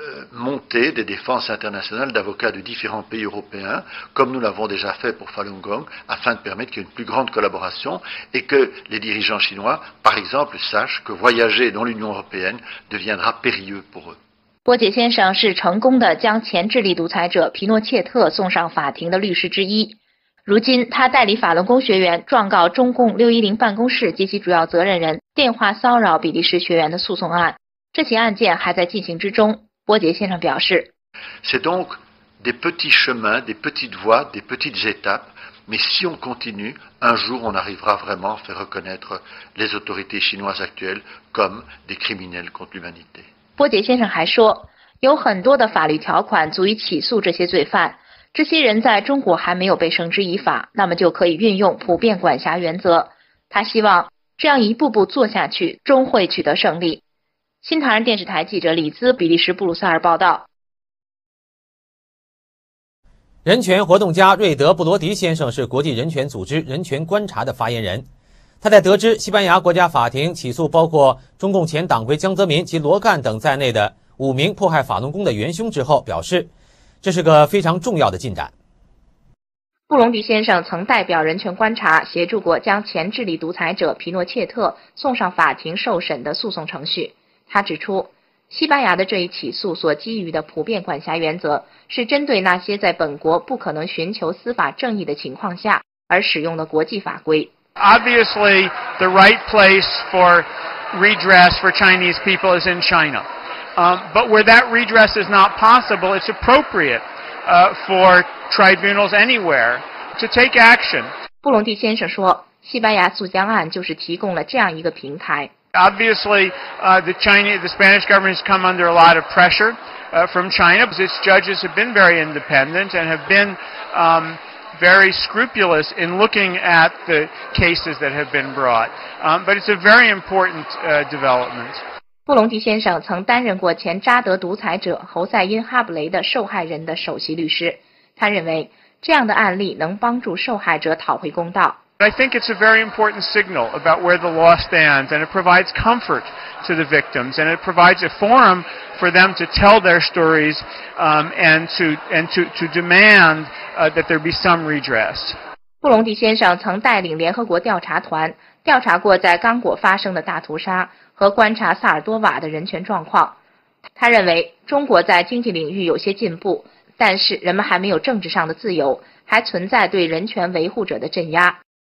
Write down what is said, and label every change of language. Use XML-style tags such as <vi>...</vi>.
<fr>Monter des défenses internationales d'avocats de différents pays européens, comme nous l'avons déjà fait pour Falun Gong, afin de permettre qu'il y ait une plus grande collaboration et que les dirigeants chinois, par exemple, sachent que voyager dans l'Union européenne deviendra périlleux pour eux.</fr> <zh>波杰先生是成功的将前智利独裁者皮诺切特送上法庭的律师之一。如今，他代理法轮功学员状告中共610办公室及其主要责任人电话骚扰比利时学员的诉讼案。这起案件还在进行之中。波杰先生表示，</zh> <fr>C'est donc des petits chemins, des petites voies, des petites étapes, mais si on continue, un jour on arrivera vraiment à faire reconnaître les autorités chinoises actuelles comme des criminels contre l'humanité.</fr> <zh>波杰先生还说，有很多的法律条款足以起诉这些罪犯，这些人在中国还没有被绳之以法，那么就可以运用普遍管辖原则。他希望这样一步步做下去，终会取得胜利。新唐人电视台记者李兹，比利时布鲁塞尔报道。人权活动家瑞德·布罗迪先生是国际人权组织人权观察的发言人。他在得知西班牙国家法庭起诉包括中共前党魁江泽民及罗干等在内的五名迫害法轮功的元凶之后表示，这是个非常重要的进展。布隆迪先生曾代表人权观察协助过将前智利独裁者皮诺切特送上法庭受审的诉讼程序。他指出，西班牙的这一起诉所基于的普遍管辖原则是针对那些在本国不可能寻求司法正义的情况下而使用的国际法规。</zh> <en>Obviously, the right place for redress for Chinese people is in China. But where that redress is not possible, it's appropriate, for tribunals anywhere to take action.</en> <zh>布隆迪先生说，西班牙诉江案就是提供了这样一个平台。</zh> <en>Obviously, the Spanish government has come under a lot of pressure, from China, because its judges have been very independent and have been, very scrupulous in looking at the cases that have been brought. But it's a very important, development.</en> <zh>布隆迪先生曾担任过前扎德独裁者侯赛因·哈布雷的受害人的首席律师。他认为这样的案例能帮助受害者讨回公道。</zh> <en>I think it's a very important signal about where the law stands, and it provides comfort to the victims, and it provides a forum for them to tell their stories, and to demand, that there be some redress.</en> <zh>布隆迪先生曾带领联合国调查团调查过在刚果发生的大屠杀和观察萨尔多瓦的人权状况。他认为中国在经济领域有些进步，但是人们还没有政治上的自由，还存在对人权维护者的镇压。</zh>